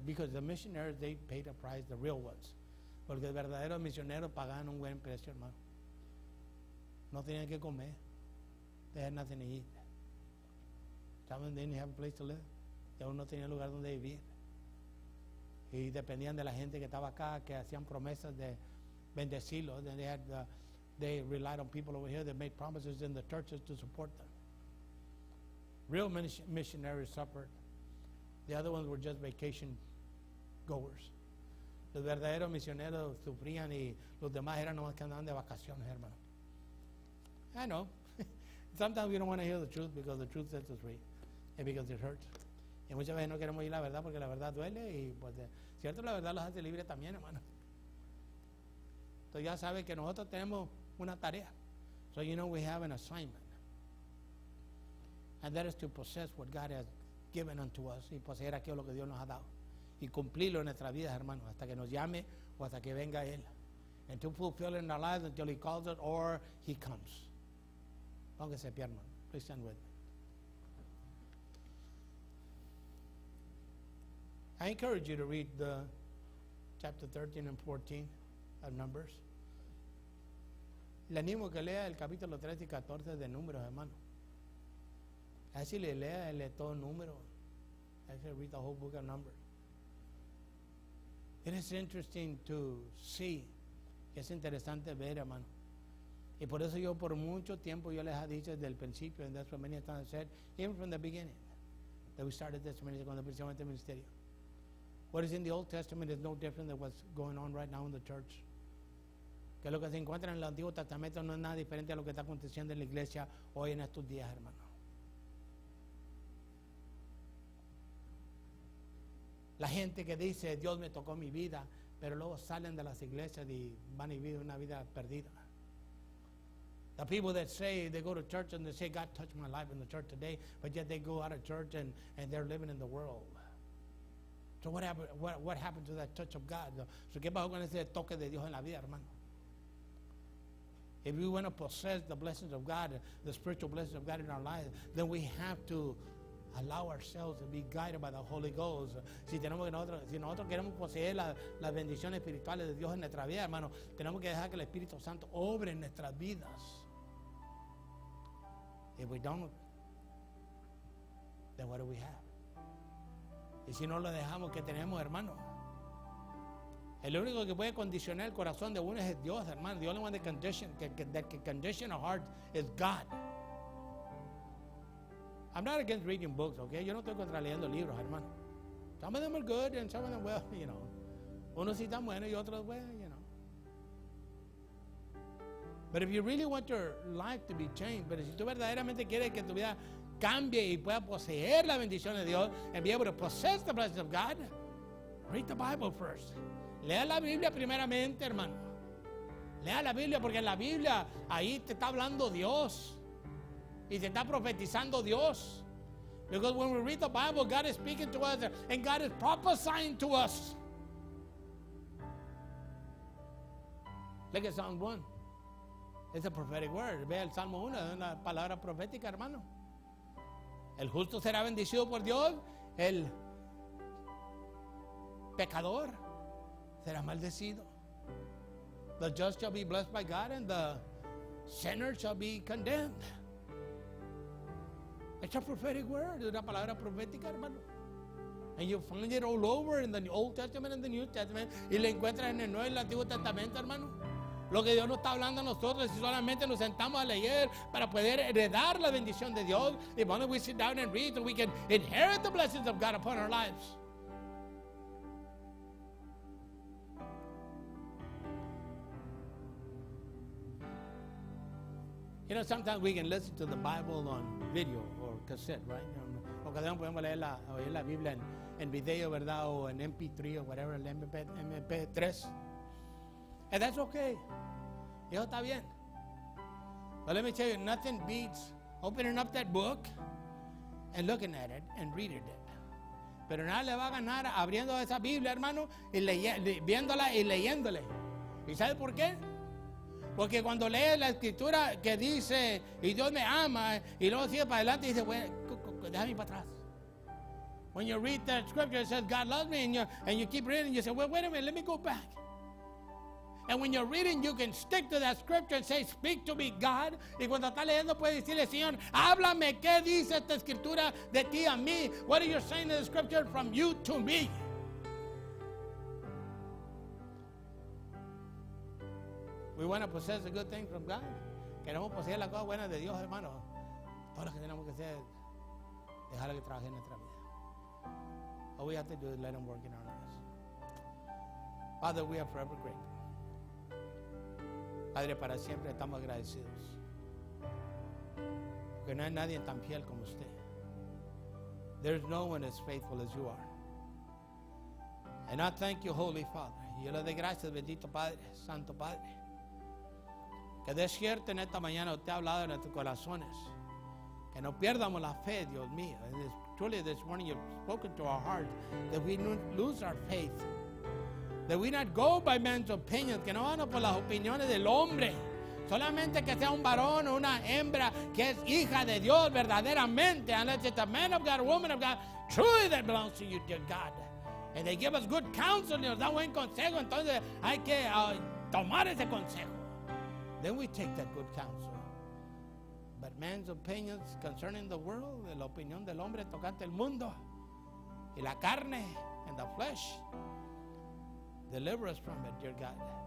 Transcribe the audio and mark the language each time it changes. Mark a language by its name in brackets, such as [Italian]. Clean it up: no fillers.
[English] Because the missionaries, they paid a price, the real ones. [Spanish] Porque los verdaderos misioneros pagaban un buen precio, hermano. No tenían que comer. They had nothing to eat. [English] Saben, they didn't have a place to live. [Spanish] Ya uno tenía lugar donde vivir. Y dependían de la gente que estaba acá, que hacían promesas de bendecirlos. [English] And they had they relied on people over here that made promises in the churches to support them. Real missionaries suffered. The other ones were just vacation goers. [Spanish] Los verdaderos misioneros sufrían y los demás eran nomás que andaban de vacaciones, hermano. [English] I know. Sometimes we don't want to hear the truth because the truth sets us free and because it hurts. [Spanish] Y muchas veces no queremos oír la verdad porque la verdad duele y pues, cierto, la verdad los hace libres también, hermano. Entonces ya sabe que nosotros tenemos una tarea. [English] So you know we have an assignment. And that is to possess what God has given unto us. [Spanish] Y poseer aquello que Dios nos ha dado. Y cumplirlo en nuestras vidas, hermano. Hasta que nos llame o hasta que venga Él. [English] And to fulfill in our lives until He calls it or He comes. [Spanish] Póngase pie, hermano. [English] Please stand with me. I encourage you to read the chapter 13 and 14. Of Numbers. [Spanish] Le animo que lea el capítulo 13 y 14 de Números, hermano. Así le lea el todo número. Así [English] read the whole book of Numbers. It is interesting to see. [Spanish] Es interesante ver, hermano. Y por eso yo por mucho tiempo yo les he dicho desde el principio, [English] and that's what many times have said, even from the beginning, that we started this ministry, [Spanish] cuando empezamos este ministerio. [English] What is in the Old Testament is no different than what's going on right now in the church. [Spanish] Que lo que se encuentra en el Antiguo Testamento no es nada diferente a lo que está aconteciendo en la iglesia hoy en estos días, hermano. La gente que dice, Dios me tocó mi vida, pero luego salen de las iglesias y van y viven una vida perdida. [English] The people that say, they go to church and they say, God touched my life in the church today, but yet they go out of church and they're living in the world. So what happened to that touch of God? [Spanish] So, ¿qué pasó con ese toque de Dios en la vida, hermano? [English] If we want to possess the blessings of God, the spiritual blessings of God in our lives, then we have to allow ourselves to be guided by the Holy Ghost. [Spanish] Si nosotros queremos poseer las bendiciones espirituales de Dios en nuestra vida, hermano, tenemos que dejar que el Espíritu Santo obre en nuestras vidas. [English] If we don't, then what do we have? [Spanish] Y si no lo dejamos, ¿qué tenemos, hermano? El único que puede condicionar el corazón de uno es Dios, hermano. [English] The only one that can condition a heart is God. I'm not against reading books, okay? [Spanish] Yo no estoy contra leyendo libros, hermano. [English] Some of them are good and some of them, well, you know. [Spanish] Unos sí están buenos y otros, [English] well, you know. But if you really want your life to be changed, [Spanish] pero si tú verdaderamente quieres que tu vida cambie y pueda poseer la bendición de Dios [English] and be able to possess the blessings of God, read the Bible first. [Spanish] Lea la Biblia primeramente, hermano. Lea la Biblia porque en la Biblia ahí te está hablando Dios. Y se está profetizando Dios. [English] Because when we read the Bible, God is speaking to us and God is prophesying to us. Look at Psalm 1. It's a prophetic word. [Spanish] Ve el Salmo 1, es una palabra profética, hermano. El justo será bendecido por Dios, el pecador será maldecido. [English] The just shall be blessed by God and the sinner shall be condemned. It's a prophetic word, [Spanish] una palabra profética, hermano. [English] And you find it all over in the Old Testament and the New Testament. [Spanish] Y la encuentras en el Nuevo y el Antiguo Testamento, hermano. Lo que Dios nos está hablando a nosotros, si solamente nos sentamos a leer para poder heredar la bendición de Dios. [English] If only we sit down and read, so we can inherit the blessings of God upon our lives. You know, sometimes we can listen to the Bible on video or cassette, right? [Spanish] O cada vez podemos leer la Biblia en video, ¿verdad? O en MP3 o whatever, el MP3. [English] And that's okay. [Spanish] Eso está bien. [English] But let me tell you, nothing beats opening up that book and looking at it and reading it. [Spanish] Pero nada le va a ganar abriendo esa Biblia, hermano, y viéndola y leyéndole. ¿Y sabe por qué? Porque cuando lees la escritura que dice y Dios me ama y luego sigue para adelante y dice, bueno, déjame ir para atrás. [English] When you read that scripture, it says God loves me, and you keep reading, you say, well, wait a minute, let me go back. And when you're reading, you can stick to that scripture and say, speak to me, God. [Spanish] Y cuando estás leyendo, puedes decirle, Señor, háblame, ¿qué dice esta escritura de ti a mí? [English] What are you saying in the scripture from you to me? We want to possess a good thing from God. [Spanish] Queremos poseer la cosa buena de Dios, hermano. Todo lo que tenemos que hacer es dejar que trabaje en nuestra vida. [English] All we have to do is let Him work in our lives. Father, we are forever grateful. [Spanish] Padre, para siempre estamos agradecidos. Porque no hay nadie tan fiel como usted. [English] There's no one as faithful as you are. And I thank you, Holy Father. [Spanish] Yo le doy gracias, bendito Padre, Santo Padre. Que despierte en esta mañana, usted ha hablado en nuestros corazones. Que no pierdamos la fe, Dios mío. [English] Truly, this morning you've spoken to our heart that we lose our faith. That we not go by men's opinions. [Spanish] Que no vamos por las opiniones del hombre. Solamente que sea un varón o una hembra que es hija de Dios verdaderamente. [English] Unless it's a man of God, a woman of God, truly that belongs to you, dear God. And they give us good counsel, [Spanish] nos dan buen consejo. Entonces hay que tomar ese consejo. [English] Then we take that good counsel. But man's opinions concerning the world, [Spanish] la opinión del hombre tocante el mundo, y la carne, [English] and the flesh, deliver us from it, dear God.